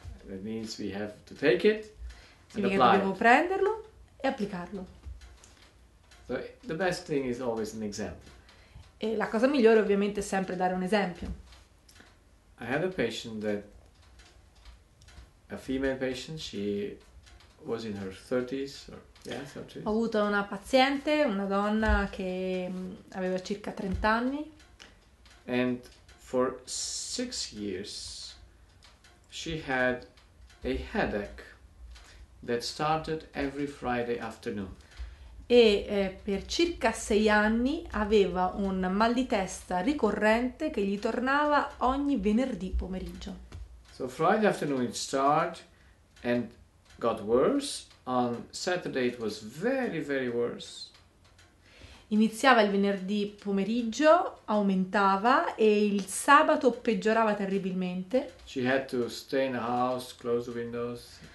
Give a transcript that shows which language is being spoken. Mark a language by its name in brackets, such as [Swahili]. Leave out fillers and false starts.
[English] That means we have to take it and [Italian] Significa che [English] apply [Italian] dobbiamo [English] it. [Italian] prenderlo e applicarlo. [English] So the best thing is always an example. [Italian] E la cosa migliore ovviamente è sempre dare un esempio. [English] I had a patient that, a female patient, she was in her 30s or, yeah, 30s. [Italian] Ho avuto una paziente, una donna che aveva circa 30 anni. [English] And for 6 years she had a headache that started every Friday afternoon. [Italian] E per circa 6 anni aveva un mal di testa ricorrente che gli tornava ogni venerdì pomeriggio. [English] So Friday afternoon it started and got worse. On Saturday it was very, very worse. [Italian] Iniziava il venerdì pomeriggio, aumentava e il sabato peggiorava terribilmente. [English] She had to stay in the house, close the windows.